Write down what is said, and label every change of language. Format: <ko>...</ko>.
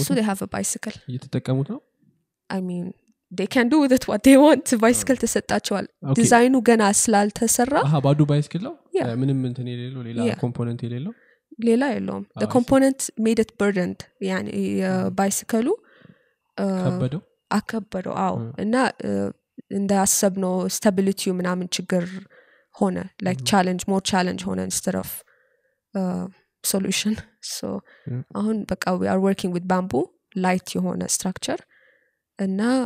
<en>ነው so they have a bicycle</en> <am>እየተጠቀሙት ነው</am> <en>i mean they can do with it what they want bicycle</en> <am>ተሰጣቸዋል ዲዛይኑ ገና ስላልተሰራ አሃ ባዱ bicycle ነው ምንም እንትን የሌለው ሌላ ኮምፖነንት የሌለው ሌላ የለውም</am> <en>the component made it burdened yani bicycle</en> <am>አከበደው አው እና እንዳሰብ ነው</am> <en>stability ምናምን</en> <am>ችግር ሆነ</am> <en>like challenge more challenge ሆነ instead of solution so</en> <am>አሁን በቃ</am> <en>we are working with bamboo light የሆነ structure እና</en>